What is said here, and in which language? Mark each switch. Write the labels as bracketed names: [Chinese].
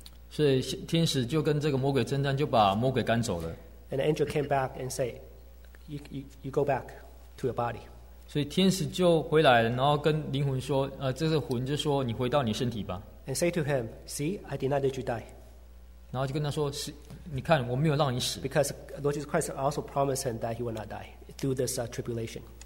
[Chinese] 所以天使就跟这个魔鬼征战，就把魔鬼赶走了。 [English] And the angel came back and said, you go back. To your body. [Chinese] 所以天使就回来了，然后跟灵魂说，这个魂就说，你回到你身体吧。 [English] And say to him, see, I did not let you die. [Chinese] 然后就跟他说，你看，我没有让你死。 [English] Because Lord Jesus Christ also promised him that he would not die through this tribulation.